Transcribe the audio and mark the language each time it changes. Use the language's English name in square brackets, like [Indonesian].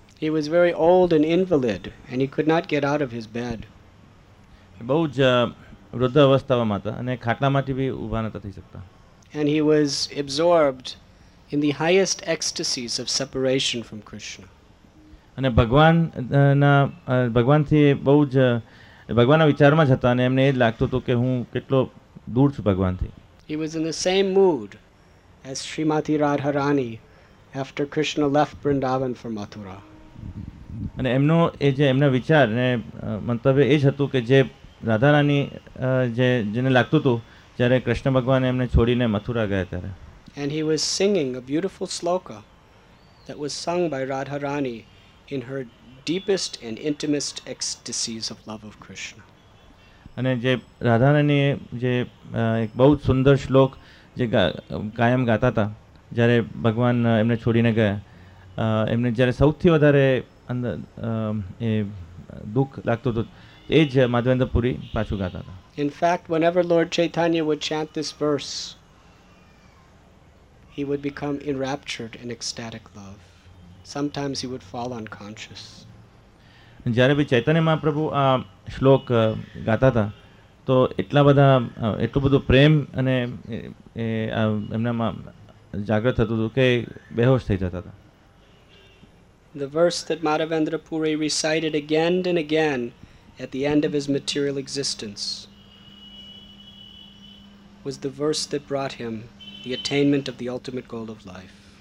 [English] He was very old and invalid and he could not get out of his bed. [Gujarati] બહુ જ વૃદ્ધ અવસ્થામાં હતા અને ખાટલામાંથી બી ઊભા નહોતા થઈ શકતા. [English] And he was absorbed in the highest ecstasies of separation from Krishna. [Gujarati] અને ભગવાન ના ભગવાન થી બહુ જ ભગવાન ના વિચારમાં જ હતા અને એમને એ લાગતું હતું કે હું કેટલો દૂર છું ભગવાન થી. [English] He was in the same mood as Srimati Radharani after Krishna left Vrindavan for Mathura. [Gujarati] અને એમનો એ જે એમના વિચાર ને મંતવ્ય એ જ હતું કે જે રાધારાની જે જેને લાગતું હતું જ્યારે કૃષ્ણ ભગવાન એમને છોડીને મથુરા ગયા ત્યારે. [English] And he was singing a beautiful shloka that was sung by Radha Rani in her deepest and intimate ecstasies of love of Krishna. [Gujarati] અને જે રાધા રાની જે એક બહુ જ સુંદર શ્લોક જે કાયમ ગાતા હતા જ્યારે ભગવાન એમને છોડીને ગયા એમને જ્યારે સૌથી વધારે અંદર એ દુઃખ લાગતું હતું એ જ માધવેન્દ્રપુરી પાછું ગાતા હતા. [English] In fact, whenever Lord Chaitanya would chant this verse, he would become enraptured in ecstatic love. Sometimes he would fall unconscious. [Gujarati] જ્યારે ભી ચૈતન્ય મહાપ્રભુ આ શ્લોક ગાતા હતા તો એટલા બધા એટલું બધું પ્રેમ અને એમનામાં જાગૃત થતું હતું કે બેહોશ થઈ જતા હતા. [English] The verse that Madhavendrapuri recited again and again at the end of his material existence was the verse that brought him the attainment of the ultimate goal of life.